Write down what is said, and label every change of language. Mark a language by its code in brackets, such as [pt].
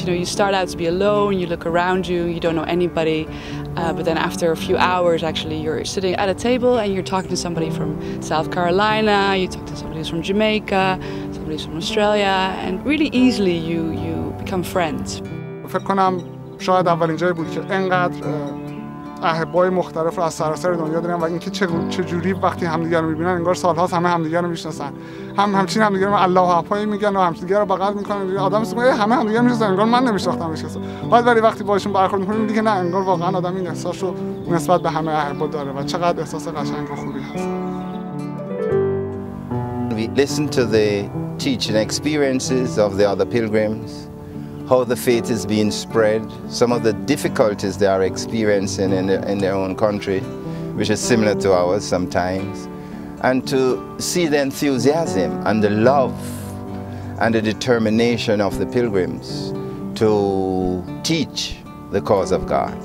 [en] You know, you start out to be alone, you look around you, you don't know anybody, but then after a few hours actually you're sitting at a table and you're talking to somebody from South Carolina, you talk to somebody who's from Jamaica, somebody's from Australia, and really easily you become friends. [fa] فکرم شاید اولین جایی بود که انقدر احبای مختلف رو از سراسر دنیا داریم و اینکه چه جوری وقتی همدیگر رو میبینن انگار سالهاست همه همدیگر رو میشناسن همچین همدیگر رو الله اپایی میگن و همدیگر رو بغل میکنن آدم میگه همه همدیگر میشناسن انگار من نمیشناختم هیچ کسو بعد ولی وقتی باهاشون برخورد میکنیم دیگه نه انگار واقعا آدم این احساس رو نسبت به همه احبا داره و چقدر احساس قشنگ و خوبی هست. [en] We listen to the teaching experiences of the other pilgrims, how the faith is being spread, some of the difficulties they are experiencing in their own country, which is similar to ours sometimes, and to see the enthusiasm and the love and the determination of the pilgrims to teach the cause of God.